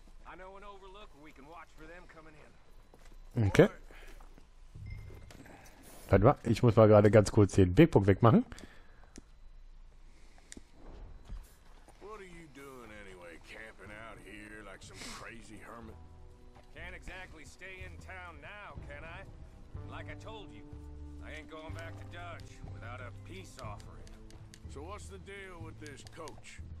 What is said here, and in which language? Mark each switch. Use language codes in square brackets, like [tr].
[en] I know an overlook where we can watch for them coming in. Okay. [de] Warte mal, ich muss mal gerade ganz kurz den Wegpunkt wegmachen. [en] What are you doing anyway, camping out here like some crazy hermit? Can't exactly stay in town now, can I? Like I told you, I ain't going back to Dodge without a peace offering. So what's the deal with this coach?